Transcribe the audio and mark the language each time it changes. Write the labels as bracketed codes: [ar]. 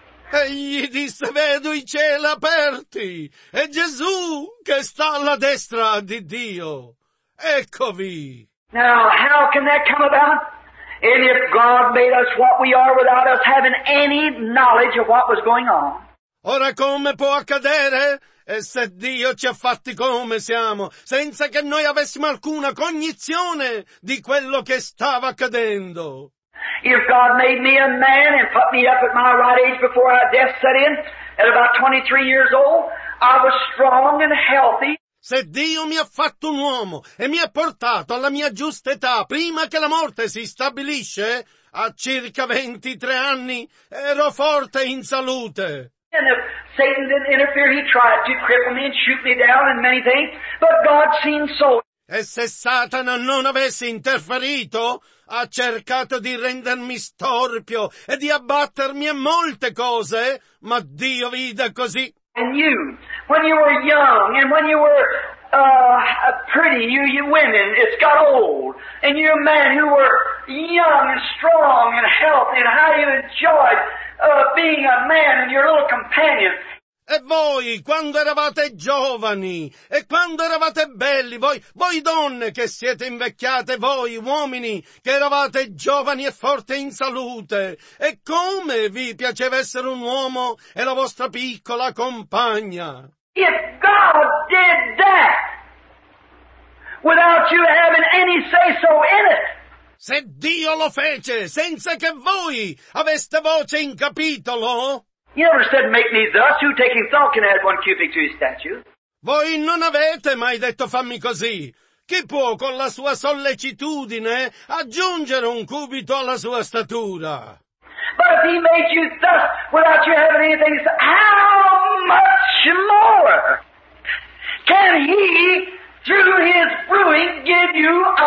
[it] Egli disse, vedo i cieli aperti, e Gesù che sta alla destra di Dio. Eccovi. [en] Now, how can that come about? And if God made us what we are without us having any knowledge of what was going on. [it] Ora come può accadere? E se Dio ci ha fatti come siamo, senza che noi avessimo alcuna cognizione di quello che stava accadendo. [en] If God made me a man and put me up at my right age before our death set in, at about 23 years old, I was strong and healthy. [it] Se Dio mi ha fatto un uomo e mi ha portato alla mia giusta età prima che la morte si stabilisce, a circa 23 anni ero forte in salute. [en] And if Satan didn't interfere, he tried to cripple me and shoot me down and many things, but God seemed so. [it] E se Satana non avesse interferito, ha cercato di rendermi storpio e di abbattermi a molte cose, ma Dio vide così. [en] And you, when you were young, and when you were pretty, you women, it's got old. And you men who were young and strong and healthy, and how you enjoyed being a man and your little companion. [it] E voi, quando eravate giovani, e quando eravate belli, voi donne che siete invecchiate, voi uomini che eravate giovani e forti in salute, e come vi piaceva essere un uomo e la vostra piccola compagna? [en] If God did that, without you having any say-so in it, [it] se Dio lo fece senza che voi aveste voce in capitolo, [en] he never said, make me thus, who taking thought can add one cubic to his statue. [it] Voi non avete mai detto fammi così. Chi può con la sua sollecitudine aggiungere un cubito alla sua statura? [en] But if he made you thus without you having anything, how much more can he, through his brewing, give you